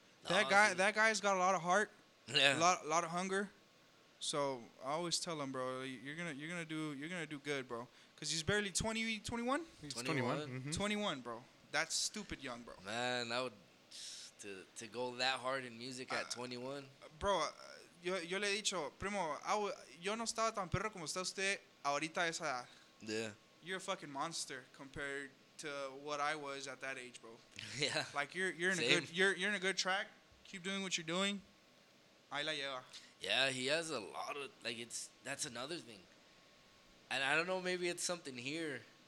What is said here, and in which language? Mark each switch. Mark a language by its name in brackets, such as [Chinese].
[English] That guy's got a lot of heart, yeah. a lot of hunger. So I always tell him, bro, you're gonna do good, bro. Because he's barely 20, 21? He's 21. 21. Mm-hmm. 21, bro. That's stupid young, bro. Man, that would, to go that hard in music at 21. [Spanish] Bro, yo le he dicho, primo, yo no estaba tan perro como está usted ahorita esa edad. [English] Yeah. You're a fucking monster compared to what I was at that age, bro. Yeah. Like, you're in you're in a good track. Keep doing what you're doing. I like you. Yeah, he has a lot of, like, that's another thing. And I don't know, maybe it's something here.